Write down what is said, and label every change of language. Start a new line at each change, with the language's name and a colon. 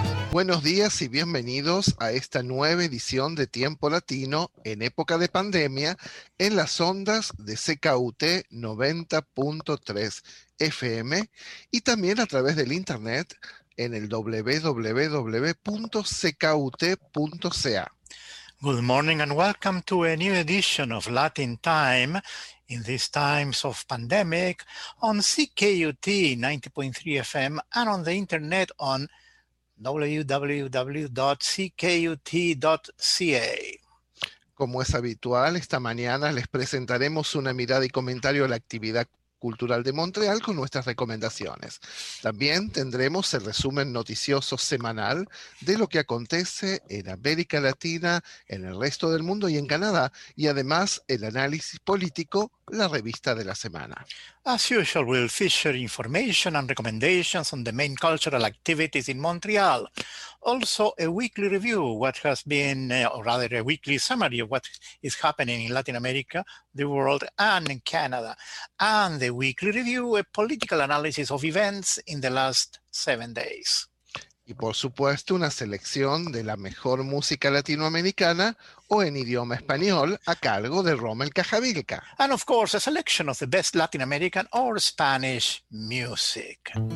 Spanish: Buenos días y bienvenidos a esta nueva edición de Tiempo Latino en época de pandemia en las ondas de CKUT 90.3 FM y también a través del internet en el www.ckut.ca.
English: Good morning and welcome to a new edition of Latin Time in these times of pandemic on CKUT 90.3 FM and on the internet on www.ckut.ca.
Spanish: Como es habitual, esta mañana les presentaremos una mirada y comentario a la actividad cultural de Montreal con nuestras recomendaciones. También tendremos el resumen noticioso semanal de lo que acontece en América Latina, en el resto del mundo y en Canadá, y además el análisis político, la revista de la semana.
English: As usual, we'll feature information and recommendations on the main cultural activities in Montreal. Also, a weekly review, a weekly summary of what is happening in Latin America, the world, and in Canada. And the weekly review, a political analysis of events in the last 7 days.
Spanish: Y por supuesto, una selección de la mejor música latinoamericana o en idioma español a cargo de Rommel Cajavilca.
English: And of course, a selection of the best Latin American or Spanish music.